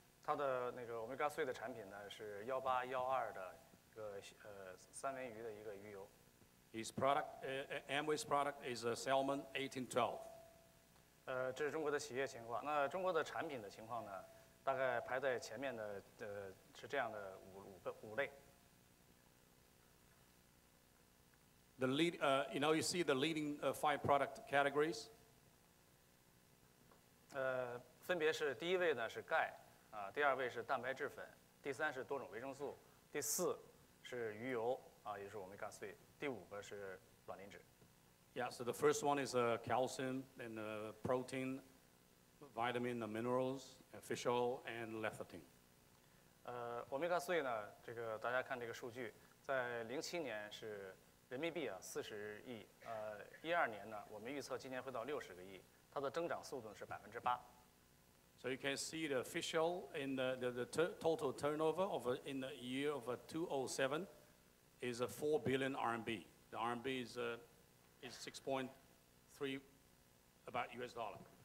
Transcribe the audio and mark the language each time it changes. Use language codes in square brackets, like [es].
[zh] 它的那个 omega-3 的产品呢是1812的一个三文鱼的一个鱼油。 [en] His product, Amway's product is a salmon 1812. [zh] 这是中国的企业情况。那中国的产品的情况呢，大概排在前面的是这样的五类。 [en] The lead, you know, you see the leading five product categories. [zh] 分别是第一位呢是钙，第二位是蛋白质粉，第三是多种维生素，第四是鱼油，也就是 omega-3， 第五个是卵磷脂。 [en] Yeah, so the first one is calcium and protein, vitamin, the minerals, fish oil, and lecithin. [zh] Omega-3 呢，这个大家看这个数据，在2007年是。人民币啊，40亿，12年呢，我们预测今年会到60亿，它它的增长速度是8%。 [en] So you can see the official in the total turnover of in the year of 2007 is ¥4 billion RMB. The RMB is 6.3 about US dollar.